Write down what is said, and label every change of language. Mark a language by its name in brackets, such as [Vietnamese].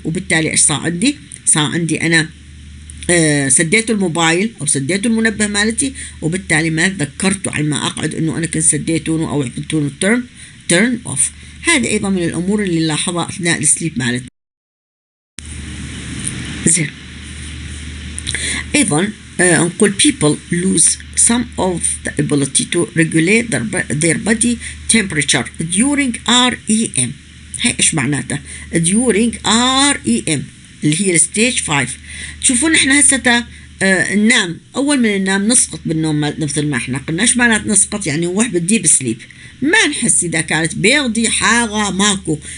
[Arabic] وبالتالي إيش صار عندي؟ صار عندي أنا سديت الموبايل أو سديت المنبه مالتي وبالتالي ما ذكرته على ما أقعد أنه أنا كنت سديتونه أو عملتونه [English] turn off. [Arabic] هذا أيضا من الأمور اللي نلاحظها أثناء السليب مالتي. زين أيضا نقول [English] people lose some of the ability to regulate their body temperature during REM. [Arabic] هاي إيش معناته [English] during REM [Arabic] اللي هي الستيج 5. تشوفون احنا هسه ننام اول من النام نسقط بالنوم مثل ما احنا قلنا. ايش معنات نسقط؟ يعني نروح بالديب سليب ما نحس اذا كانت بيضي حاغه ماكو.